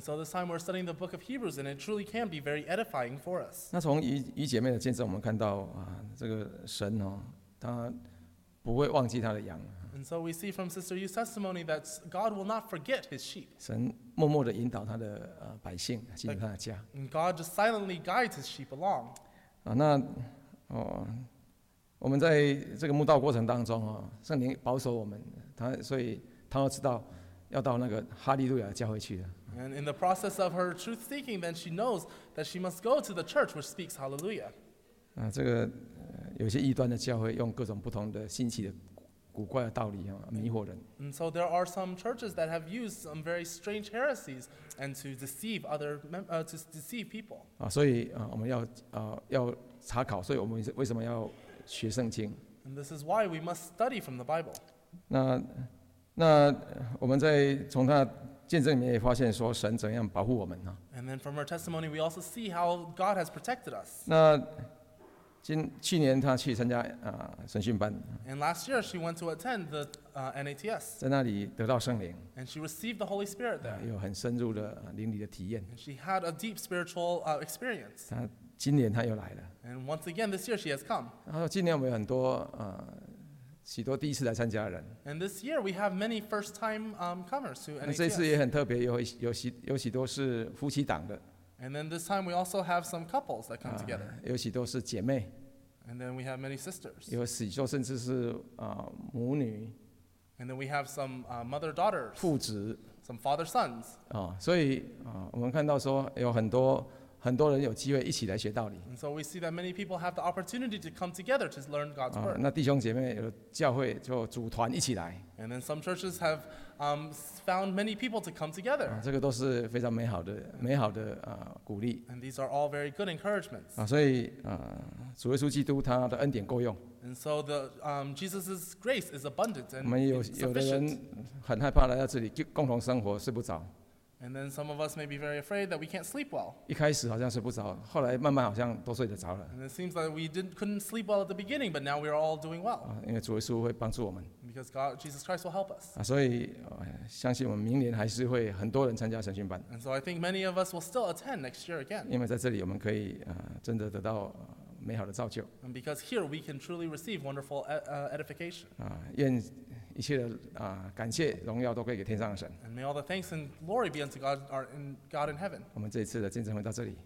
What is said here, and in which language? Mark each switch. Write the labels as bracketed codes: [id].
[en] so this time we're studying the book of Hebrews, and it truly can be very edifying for us. [zh] 那从于姐妹的见证，我们看到啊，这个神哦，他不会忘记他的羊。 [en] And so we see from Sister Yu's testimony that God will not forget His sheep. [zh] 神默默的引导他的百姓进入他的家。 [en] And God just silently guides His sheep along. [zh] 啊，那。哦，我们在这个慕道过程当中啊，圣灵保守我们，他所以他要知道，要到那个哈利路亚教会去的。 [en] And in the process of her truth seeking, then she knows that she must go to the church which speaks hallelujah. [zh] 这个有些异端的教会用各种不同的新奇的古怪的道理迷惑人。 [en] And so there are some churches that have used some very strange heresies and to deceive other to deceive people. [zh] 所以我们要查考，所以我们为什么要学圣经？ [en] And this is why we must study from the Bible. [zh] 那我们在从他见证里面也发现说神怎样保护我们呢？ [en] And then from her testimony, we also see how God has protected us. [zh] 那去年他去参加神训班。 [en] And last year she went to attend the NATS. [zh] 在那里得到圣灵。 [en] And she received the Holy Spirit there. [zh] 有很深入的灵里的体验。 [en] And she had a deep spiritual experience. [zh] 他今年他又来了。 [en] And once again this year she has come. [zh] 然后今年我们有很多许多第一次来参加的人。 [en] And this year we have many first-time comers to NATS. [zh] 那这次也很特别，有许多是夫妻档的。 [en] And then this time we also have some couples that come together. [zh] 有许多是姐妹。 [en] And then we have many sisters. [zh] 有许多甚至是母女。 [en] And then we have some mother-daughters. [zh] 父子。 [en] Some father-sons. [zh] 所以我们看到说有很多人有机会一起来学道理。 [en] And so we see that many people have the opportunity to come together to learn God's word. [zh] 那弟兄姐妹有教会就组团一起来。 [en] And then some churches have found many people to come together. [zh] 这个都是非常美好的鼓励。 [en] And these are all very good encouragements. [zh] 所以主耶稣基督他的恩典够用。 [en] And so the Jesus's grace is abundant and [zh] 我们有的人很害怕来到这里共同生活睡不着。 [en] And then some of us may be very afraid that we can't sleep well. [zh] 一开始好像睡不着，后来慢慢好像都睡得着了。 [en] And it seems like we couldn't sleep well at the beginning, but now we are all doing well. [zh] 因为主耶稣会帮助我们。 [en] Because God, Jesus Christ will help us. [zh] 所以相信我们明年还是会很多人参加神训班。 [en] And so I think many of us will still attend next year again. [zh] 因为在这里我们可以真的得到美好的造就。 [en] And because here we can truly receive wonderful edification. [zh] 愿一切的感谢荣耀都归给天上的神。 [en] And may all the thanks and glory be unto God, God in heaven. [zh] 我们这一次的见证会到这里。